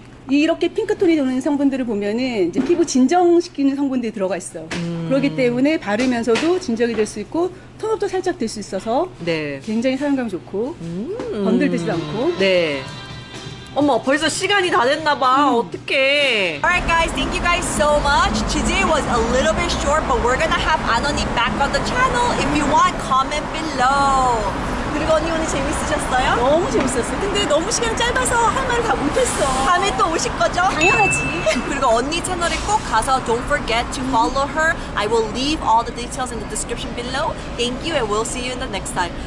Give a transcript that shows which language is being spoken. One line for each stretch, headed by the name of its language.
Korean: 이렇게 핑크톤이 도는 성분들을 보면은 이제 피부 진정시키는 성분들이 들어가 있어. 그렇기 때문에 바르면서도 진정이 될 수 있고 톤업도 살짝 될 수 있어서 네. 굉장히 사용감이 좋고 번들되지도 않고. 네. 어머, 벌써 시간이 다 됐나 봐. 어떡해.
English: Alright guys, thank you guys so much. Today was a little bit short, but we're gonna have Anoni back on the channel. If you want, comment below.
Korean: 그리고 언니 오늘 재밌으셨어요? 너무 재밌었어요. 근데 너무 시간 짧아서 할 말을 다 못했어. 다음에 또 오실 거죠? 당연하지. 그리고 언니 채널에 꼭 가서
English: don't forget to follow her. I will leave all the details in the description below. Thank you and we'll see you in the next time.